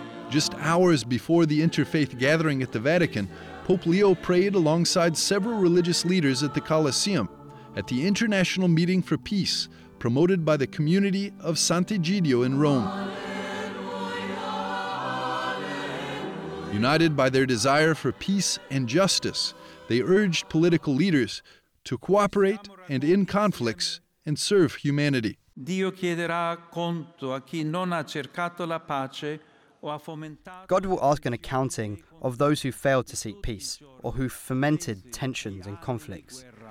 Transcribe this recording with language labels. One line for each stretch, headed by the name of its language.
English: Just hours before the interfaith gathering at the Vatican, Pope Leo prayed alongside several religious leaders at the Colosseum at the International Meeting for Peace, promoted by the community of Sant'Egidio in Rome. United by their desire for peace and justice, they urged political leaders to cooperate and end conflicts and serve humanity.
Italian: Dio chiederà conto a chi non ha cercato la pace
English: God will ask an accounting of those who failed to seek peace or who fomented tensions and conflicts.